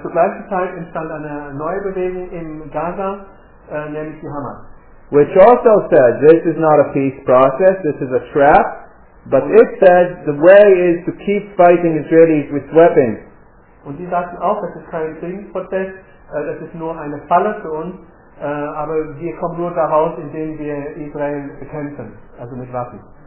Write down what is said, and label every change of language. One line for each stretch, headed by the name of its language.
German: Zur gleichen Zeit entstand eine neue Bewegung in Gaza, nämlich die Hamas.
English: Which also said, this is not a peace process, this is a trap. But it said, the way is to keep fighting Israelis with weapons.
German: Und die sagten auch, das ist kein Friedensprozess, das ist nur eine Falle für uns. Aber wir kommen nur daraus, indem wir Israel bekämpfen, also mit Waffen.